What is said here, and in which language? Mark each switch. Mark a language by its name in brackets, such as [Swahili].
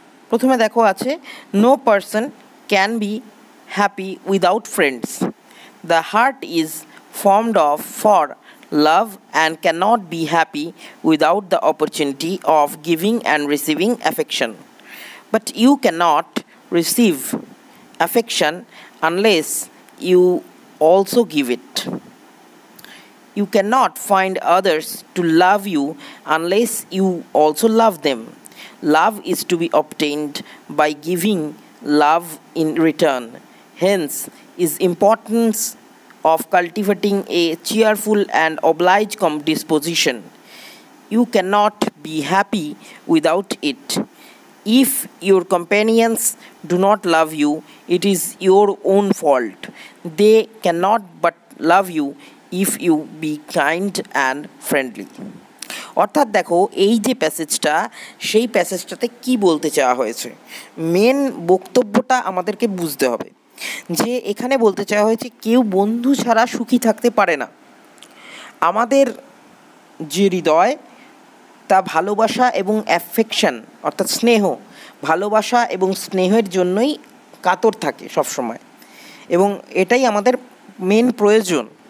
[English] প্রথমে দেখো আছে, no person can be happy without friends, the heart is formed of for love and can not be happy without the opportunity of giving and receiving affection, but you can not receive affection unless you also give it. You cannot find others to love you unless you also love them. Love is to be obtained by giving love in return. Hence is importance of cultivating a cheerful and obliged disposition. You cannot be happy without it. If your companions do not love you, it is your own fault. They cannot but love you if you be kind and friendly. [Bangla] অর্থাৎ দেখো এই যে প্যাসেজটা, সেই প্যাসেজটাতে কি বলতে চাওয়া হয়েছে, main বক্তব্যটা আমাদেরকে বুঝতে হবে। যে এখানে বলতে চাওয়া হয়েছে কেউ বন্ধু ছাড়া সুখী থাকতে পারে না। আমাদের যে হৃদয় তা ভালোবাসা এবং অ্যাফেকশন অর্থাৎ স্নেহ, ভালোবাসা এবং স্নেহের জন্যই কাতর থাকে সবসময় এবং এটাই আমাদের মেন প্রয়োজন।